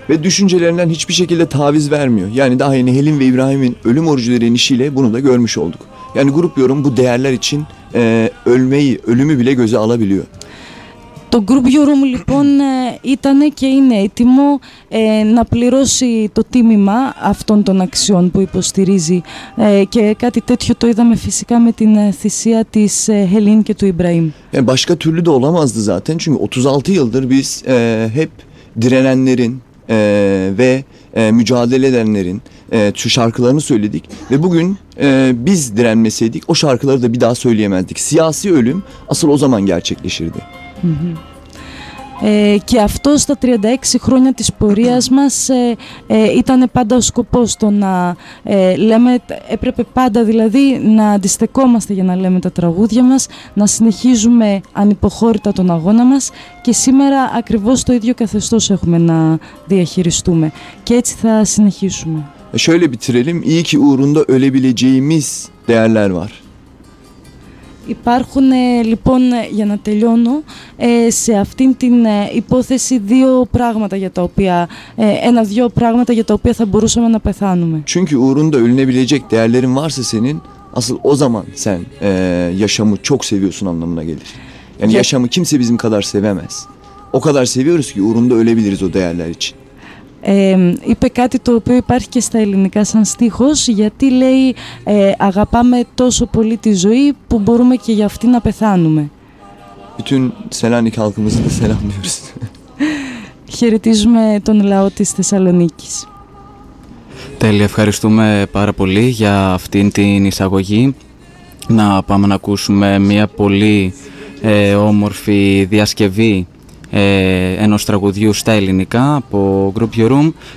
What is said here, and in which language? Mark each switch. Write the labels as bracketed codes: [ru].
[tr] Ve düşüncelerinden hiçbir şekilde taviz vermiyor. Yani daha yeni Helin ve İbrahim'in ölüm orucularının işiyle bunu da görmüş olduk. Yani grup yorum bu değerler için ölmeyi, ölümü bile göze alabiliyor. [el] Το group yorum λοιπόν ήταν και είναι έτοιμο να πληρώσει το τίμημα αυτών των αξιών που υποστηρίζει και κάτι τέτοιο το είδαμε φυσικά με την θυσία της Helin και του Ibrahim. [tr] Yani başka türlü de olamazdı zaten çünkü 36 yıldır biz hep direnenlerin ve mücadele edenlerin şu şarkılarını söyledik ve bugün biz direnmeseydik o şarkıları da bir daha söyleyemezdik. Siyasi ölüm asıl o zaman gerçekleşirdi. [el] Και αυτό στα 36 χρόνια της πορείας μας ήταν πάντα ο σκοπός το να λέμε, έπρεπε πάντα δηλαδή να αντιστεκόμαστε για να λέμε τα τραγούδια μας, να συνεχίζουμε ανυποχώρητα τον αγώνα μας και σήμερα ακριβώς το ίδιο καθεστώς έχουμε να διαχειριστούμε και έτσι θα συνεχίσουμε. [tr] Şöyle bitirelim, iyi ki uğrunda ölebileceğimiz değerler var. [el] Υπάρχουν λοιπόν, για να τελειώνω, σε αυτήν την υπόθεση δύο πράγματα για τα οποία, ένα-δύο πράγματα για τα οποία θα μπορούσαμε να πεθάνουμε. [tr] Çünkü uğrunda ölünebilecek değerlerin varsa senin, asıl o zaman sen yaşamı çok seviyorsun anlamına gelir. Yani yaşamı kimse bizim kadar sevemez. O kadar seviyoruz ki uğrunda ölebiliriz o değerler için. [el] Είπε κάτι το οποίο υπάρχει και στα ελληνικά σαν στίχος, γιατί λέει αγαπάμε τόσο πολύ τη ζωή που μπορούμε και για αυτή να πεθάνουμε. [tr] Bütün Selanik halkımızı da selamlıyoruz. [el] Χαιρετίζουμε τον λαό της Θεσσαλονίκης. Τέλεια, ευχαριστούμε πάρα πολύ για αυτήν την εισαγωγή. Να πάμε να ακούσουμε μια πολύ όμορφη διασκευή ενός τραγουδιού στα ελληνικά από Group Your Room.